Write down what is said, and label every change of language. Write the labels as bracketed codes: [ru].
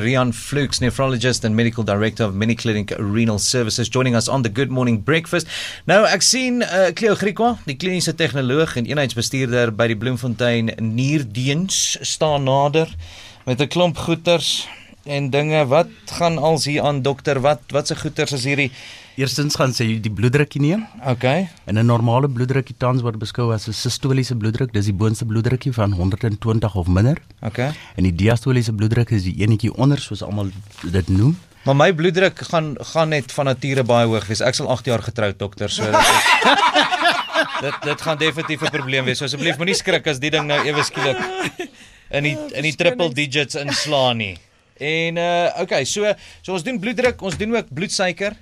[en] Rian Fluks, nephrologist and medical director of Mediclinic Renal Services, joining us on the Good Morning Breakfast. [af] Nou, ek sien Cleo Griekwa, die kliniese tegnoloog en eenheidsbestuurder by die Bloemfontein Nierdiens, staan nader met 'n klomp goeters en dinge. Wat gaan als hier aan, dokter? Wat se goeters is hierdie? Eerstens gaan sy die bloeddrukkie neem. Okay. En 'n normale bloeddrukkie tans word beskou as 'n sistoliese bloeddruk. Dis die boonste bloeddrukkie van 120 of minder. Okay. En die diastoliese bloeddruk is die enetjie onder, soos almal dit noem. Maar my bloeddruk gaan net van nature baie hoog wees. Ek sal 8 jaar getroud, dokter, so dit gaan definitief 'n probleem wees. So asseblief moenie skrik as die ding nou ewe skielik in die [en] triple digits [af] inslaan nie. En okay, so ons doen bloeddruk, ons doen ook bloedsuiker.